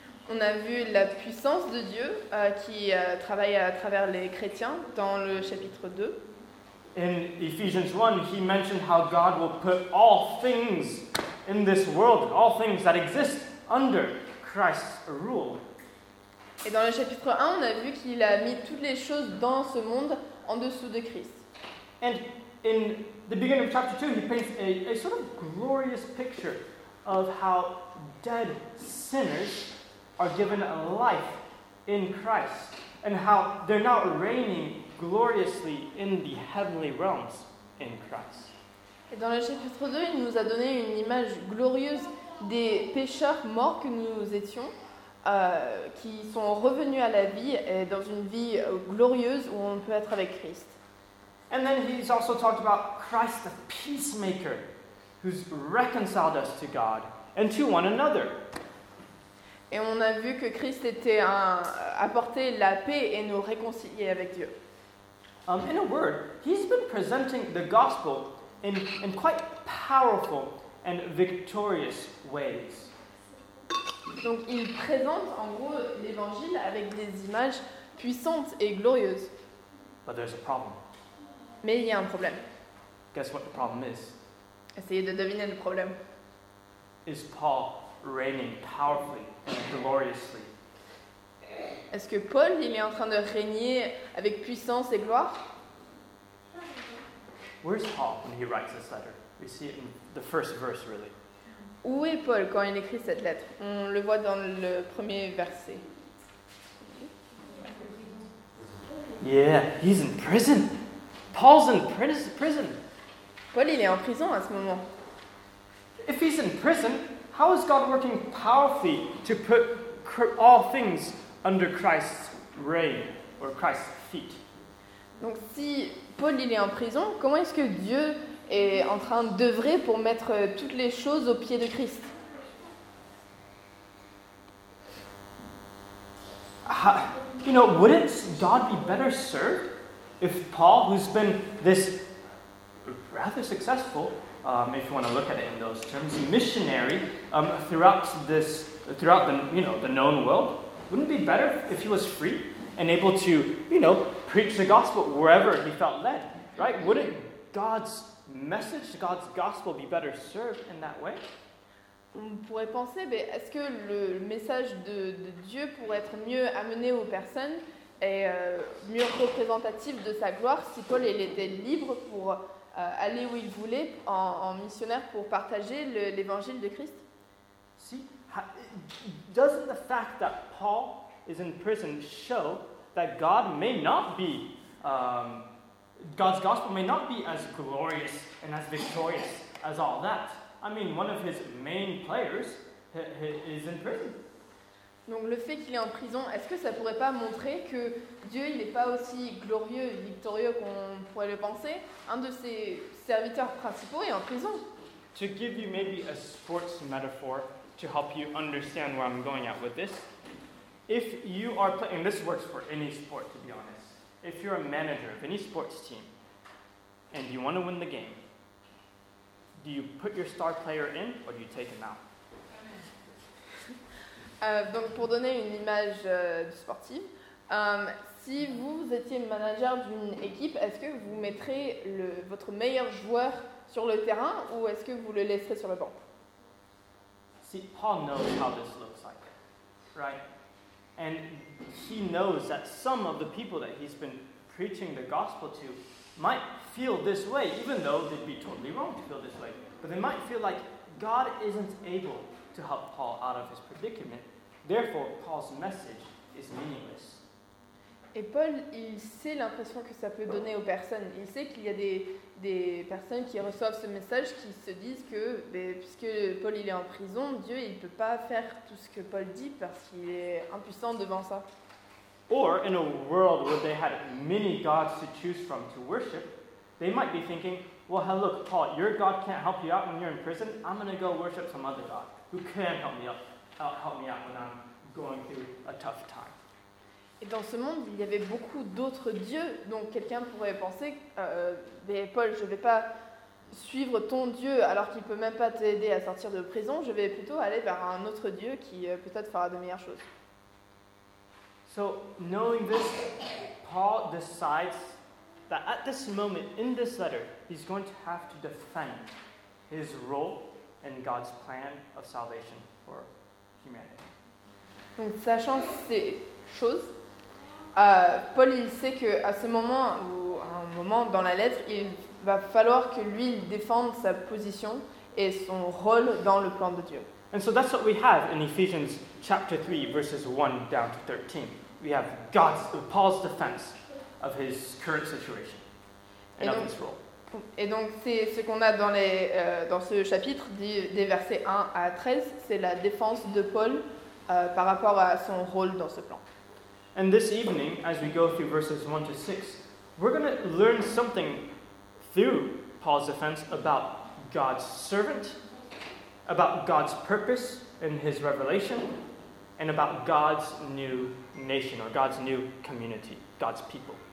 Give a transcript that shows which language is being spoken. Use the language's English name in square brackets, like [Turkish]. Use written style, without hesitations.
[French] On a vu la puissance de Dieu qui travaille à travers les chrétiens dans le chapitre 2. [English] In Ephesians 1, he mentioned how God will put all things in this world, all things that exist, under Christ's rule. [French] Et dans le chapitre 1, on a vu qu'il a mis toutes les choses dans ce monde en dessous de Christ. [English] And in the beginning of chapter 2, he paints a sort of glorious picture of how dead sinners are given a life in Christ, and how they're now reigning gloriously in the heavenly realms in Christ. [French] Et dans le chapitre 2, il nous a donné une image glorieuse des pécheurs morts que nous étions, qui sont revenus à la vie et dans une vie glorieuse où on peut être avec Christ. [English] And then he's also talked about Christ, the peacemaker, who's reconciled us to God and to one another. [French] Et on a vu que Christ était apporté la paix et nous réconcilier avec Dieu. [English] In a word, he's been presenting the gospel in quite powerful and victorious ways. [French] Donc, il présente en gros l'évangile avec des images puissantes et glorieuses. [English] But there's a problem. [French] Mais il y a un problème. [English] Guess what the problem is? [French] Essayez de deviner le problème. [English] Is Paul reigning powerfully and gloriously? [French] Est-ce que Paul, il est en train de régner avec puissance et gloire? [English] Where's Paul when he writes this letter? We see it in the first verse, really. [French] Où est Paul quand il écrit cette lettre? On le voit dans le premier verset. [English] Yeah, he's in prison. Paul's in prison. [French] Paul, il est en prison à ce moment. [English] If he's in prison, how is God working powerfully to put all things under Christ's reign or Christ's feet? [French] Donc si Paul il est en prison, comment est-ce que Dieu est en train d'œuvrer pour mettre toutes les choses aux pieds de Christ? [English] Wouldn't God be better served if Paul, who's been this rather successful, if you want to look at it in those terms, missionary throughout the known world? Wouldn't it be better if he was free and able to, preach the gospel wherever he felt led, right? Wouldn't God's message, God's gospel be better served in that way? [French] On pourrait penser, mais est-ce que le message de Dieu pourrait être mieux amené aux personnes et mieux représentative de sa gloire si Paul il était libre pour aller où il voulait en missionnaire pour partager l'évangile de Christ. [English] See, doesn't the fact that Paul is in prison show that God may not be God's gospel may not be as glorious and as victorious as all that? I mean, one of his main players is in prison. [French] Donc le fait qu'il est en prison, est-ce que ça pourrait pas montrer que Dieu il n'est pas aussi glorieux et victorieux qu'on pourrait le penser? Un de ses serviteurs principaux est en prison. [English] To give you maybe a sports metaphor to help you understand where I'm going at with this. If you are playing, and this works for any sport to be honest. If you're a manager of any sports team and you want to win the game, do you put your star player in or do you take him out? [French] Donc pour donner une image du sportif, si vous étiez le manager d'une équipe, est-ce que vous mettrez votre meilleur joueur sur le terrain ou est-ce que vous le laisserez sur le banc? [English] See, Paul knows how this looks like, right? And he knows that some of the people that he's been preaching the gospel to might feel this way, even though they'd be totally wrong to feel this way. But they might feel like God isn't able to help Paul out of his predicament. Therefore, Paul's message is meaningless. [French] Et Paul, il sait l'impression que ça peut donner aux personnes. Il sait qu'il y a des personnes qui reçoivent ce message qui se disent que ben, puisque Paul il est en prison, Dieu il peut pas faire tout ce que Paul dit parce qu'il est impuissant devant ça. [English] Or in a world where they had many gods to choose from to worship, they might be thinking, well, hello, Paul, your God can't help you out when you're in prison. I'm going to go worship some other God who can help me out. Help me out when I'm going through a tough time. [French] Et dans ce monde, il y avait beaucoup d'autres dieux, donc quelqu'un pourrait penser, mais Paul, je ne vais pas suivre ton dieu alors qu'il ne peut même pas t'aider à sortir de prison, je vais plutôt aller vers un autre dieu qui peut-être fera de meilleures choses. [English] So, knowing this, Paul decides that at this moment, in this letter, he's going to have to defend his role in God's plan of salvation for [French] donc, sachant ces choses, Paul il sait que à ce moment ou à un moment dans la lettre, il va falloir que lui il défende sa position et son rôle dans le plan de Dieu. [English] And so that's what we have in Ephesians chapter 3 verses 1 down to 13. We have God's Paul's defense of his current situation and [French] donc, [English] of his role. [French] Et donc c'est ce qu'on a dans dans ce chapitre des versets 1 à 13, c'est la défense de Paul par rapport à son rôle dans ce plan. [English] And this evening, as we go through verses 1 to 6, we're going to learn something through Paul's defense about God's servant, about God's purpose in his revelation, and about God's new nation or God's new community, God's people.